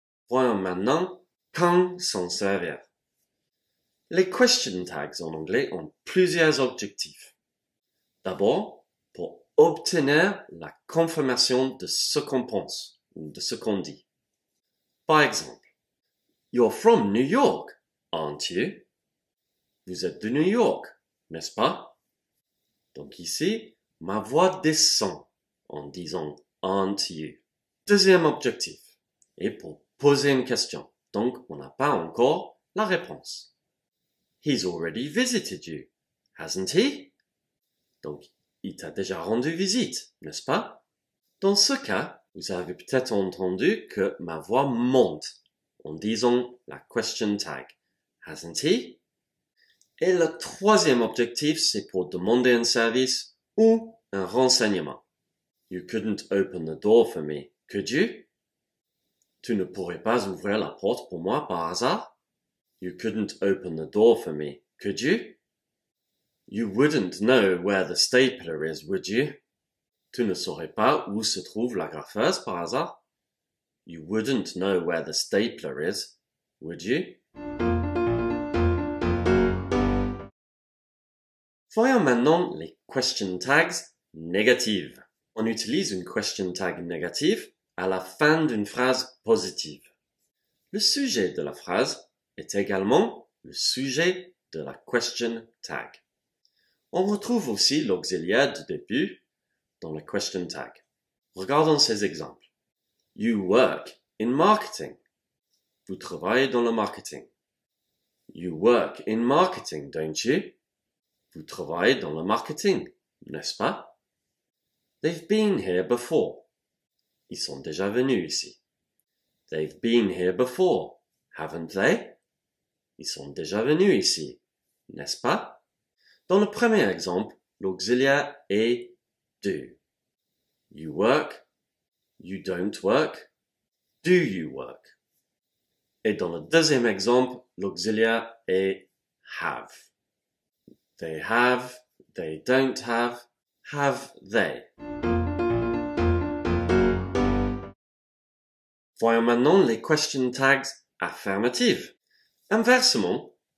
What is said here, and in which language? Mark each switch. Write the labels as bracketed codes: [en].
[fr] Voyons maintenant quand s'en servir. Les question tags en anglais ont plusieurs objectifs. D'abord, pour obtenir la confirmation de ce qu'on pense ou de ce qu'on dit. Par exemple, [en] You're from New York, aren't you? [fr] Vous êtes de New York, n'est-ce pas? Donc ici, ma voix descend en disant « [en] aren't you ?» [fr] Deuxième objectif est pour poser une question, donc on n'a pas encore la réponse. [en] He's already visited you, hasn't he? [fr] Donc, il t'a déjà rendu visite, n'est-ce pas? Dans ce cas, vous avez peut-être entendu que ma voix monte en disant la question tag, [en] hasn't he? [fr] Et le troisième objectif, c'est pour demander un service ou un renseignement. [en] You couldn't open the door for me, could you? [fr] Tu ne pourrais pas ouvrir la porte pour moi par hasard? [en] You couldn't open the door for me, could you? You wouldn't know where the stapler is, would you? [fr] Tu ne saurais pas où se trouve la graffeuse par hasard? [en] You wouldn't know where the stapler is, would you? [fr] Voyons maintenant les question tags négatives. On utilise une question tag négative à la fin d'une phrase positive. Le sujet de la phrase est également le sujet de la question tag. On retrouve aussi l'auxiliaire du début dans la question tag. Regardons ces exemples. [en] You work in marketing. [fr] Vous travaillez dans le marketing. [en] You work in marketing, don't you? [fr] Vous travaillez dans le marketing, n'est-ce pas? [en] They've been here before. [fr] Ils sont déjà venus ici. [en] They've been here before, haven't they? [fr] Ils sont déjà venus ici, n'est-ce pas? Dans le premier exemple, l'auxiliaire est « do ». [en] You work, you don't work, do you work? [fr] Et dans le deuxième exemple, l'auxiliaire est « have ». [en] They have, they don't have they. [fr] Voyons maintenant les question tags affirmatives. Inversement,